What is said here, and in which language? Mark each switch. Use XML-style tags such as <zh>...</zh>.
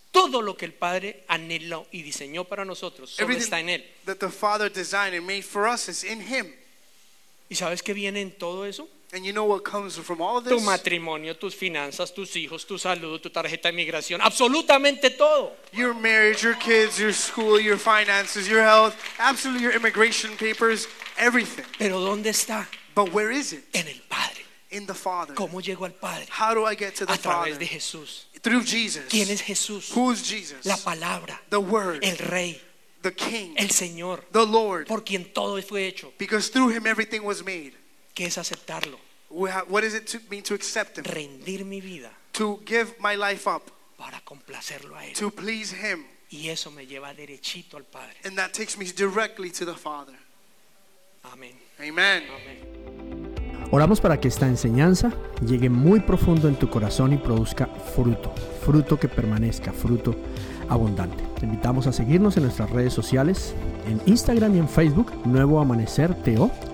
<es>Todo lo que el Padre anheló y diseñó para nosotros solo</es> <en>Everything</en> <es>está en Él.</es> <en>That the Father designed and made for us is in Him.</en> <es>¿Y sabes qué viene en todo eso?</es> <en>And you know what comes from all of this?</en> <es>Tu matrimonio, tus finanzas, tus hijos, tu salud, tu tarjeta de migración, absolutamente todo.</es> <en>Your marriage, your kids, your school, your finances, your health, absolutely your immigration papers, everything.</en> <es>¿Pero dónde está?</es> <en>But where is it?</en> <es>En el Padre.</es> <en>In the Father.</en> <es>¿Cómo llego al Padre?</es> <en>How do I get to the Father?</en> <es>A través de Jesús.</es> <en>Through Jesus.</en> <es>¿Quién es Jesús?</es> <en>Who is Jesus?</en> <es>La palabra.</es> <en>The Word.</en> <es>El Rey.</es> <en>The King.</en> <es>El Señor.</es> <en>The Lord.</en> <es>Por quien todo fue hecho.</es> <en>Because through Him everything was made.</en> <es>¿Qué es aceptarlo?</es> <en>What does it mean to accept Him?</en> <es>Rendir mi vida.</es> <en>To give my life up.</en> <es>Para complacerlo a Él.</es> <en>To please Him.</en> <es>Y eso me lleva derechito al Padre.</es> <en>And that takes me directly to the Father.</en> <es>Amén.</es> <en>Amen.</en> <es>Amén. Oramos para que esta enseñanza llegue muy profundo en tu corazón y produzca fruto, fruto que permanezca, fruto abundante. Te invitamos a seguirnos en nuestras redes sociales, en Instagram y en Facebook, Nuevo Amanecer TO.</es>